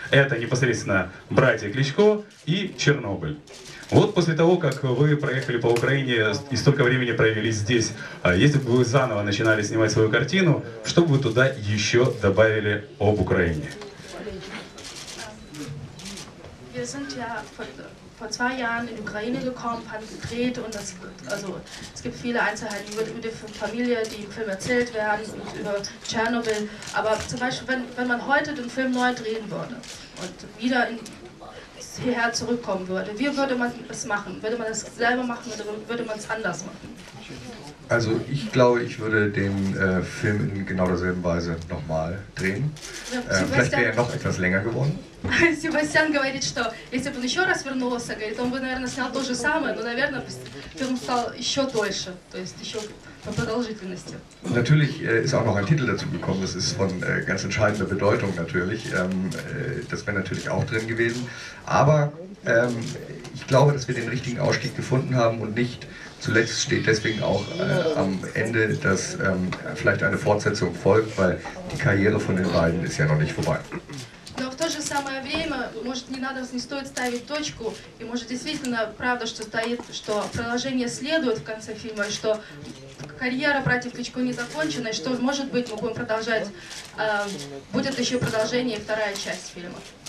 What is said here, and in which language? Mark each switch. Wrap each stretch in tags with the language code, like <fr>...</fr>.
<ru>Это непосредственно «Братья Кличко» и «Чернобыль». Вот после того, как вы проехали по Украине и столько времени провели здесь, если бы вы заново начинали снимать свою картину, что бы вы туда еще добавили об Украине?</ru> <de>Wir sind ja vor zwei Jahren in die Ukraine gekommen, haben gedreht und das, also es gibt viele Einzelheiten über die Familie, die im Film erzählt werden und über Tschernobyl. Aber zum Beispiel, wenn man heute den Film neu drehen würde und wieder hierher zurückkommen würde, wie würde man es machen? Würde man es selber machen oder würde man es anders machen? Also ich glaube, ich würde den Film in genau derselben Weise nochmal drehen. Vielleicht wäre er noch etwas länger geworden.</de> <ru>Себастьян говорит, что если бы он еще раз вернулся, говорит, он бы, наверное, снял то же самое, но, наверное, фильм стал еще дольше, то есть еще по продолжительности.</ru> <de>Natürlich ist auch noch ein Titel dazu gekommen. Das ist von ganz entscheidender Bedeutung natürlich. Das wäre natürlich auch drin gewesen. Aber ich glaube, dass wir den richtigen Ausstieg gefunden haben und nicht zuletzt steht deswegen auch am Ende, dass vielleicht eine Fortsetzung folgt, weil die Karriere von den beiden ist ja noch nicht vorbei.</de> <ru>Но в то же самое время, может, не стоит ставить точку, и может, действительно, правда, что стоит, что продолжение следует в конце фильма, и что карьера братьев Кличко не закончена, и что, может быть, мы будем продолжать, будет еще продолжение и вторая часть фильма.</ru>